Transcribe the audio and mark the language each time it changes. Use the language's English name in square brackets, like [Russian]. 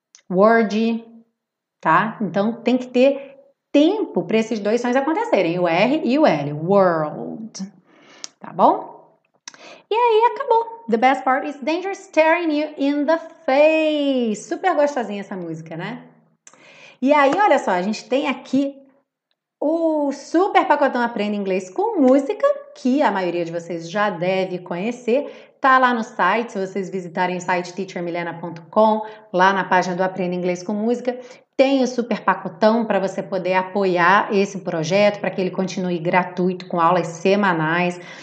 [Portuguese] Word, tá? Então tem que ter tempo para esses dois sons acontecerem, o R e o L, world, tá bom? E aí acabou. [English] The best part is Dangerous Staring You in the Face. [Portuguese] Super gostosinha essa música, né? E aí, olha só, a gente tem aqui o Super Pacotão Aprenda Inglês com Música, que a maioria de vocês já deve conhecer. Tá lá no site, se vocês visitarem o site teachermilena.com, lá na página do Aprenda Inglês com Música, tem o super pacotão para você poder apoiar esse projeto, para que ele continue gratuito com aulas semanais.